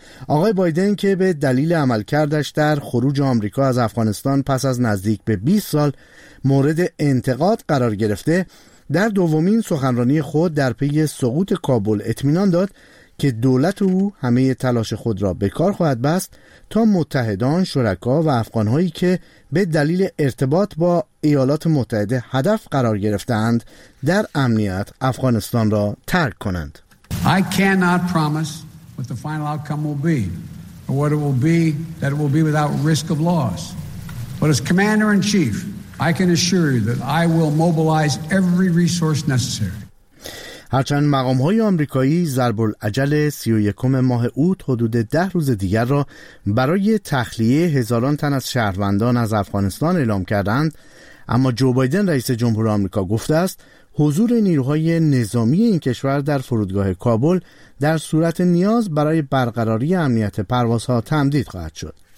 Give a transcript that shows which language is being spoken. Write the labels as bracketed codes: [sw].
[fa] آقای بایدن که به دلیل عملکردش در خروج آمریکا از افغانستان پس از نزدیک به 20 سال مورد انتقاد قرار گرفته، در دومین سخنرانی خود در پی سقوط کابل اطمینان داد که دولت او همه تلاش خود را به کار خواهد بست تا متحدان، شرکا و افغانهایی که به دلیل ارتباط با ایالات متحده هدف قرار گرفتند در امنیت افغانستان را ترک کنند. [en] I cannot promise what the final outcome will be or what it will be that it will be without risk of loss. But as commander in chief, I can assure you that I will mobilize every resource necessary. [fa] هرچند مقام‌های آمریکایی ضرب العجل 31 ماه اوت حدود 10 روز دیگر را برای تخلیه هزاران تن از شهروندان از افغانستان اعلام کردند، اما جو بایدن رئیس جمهور آمریکا گفته است حضور نیروهای نظامی این کشور در فرودگاه کابل در صورت نیاز برای برقراری امنیت پروازها تمدید خواهد شد.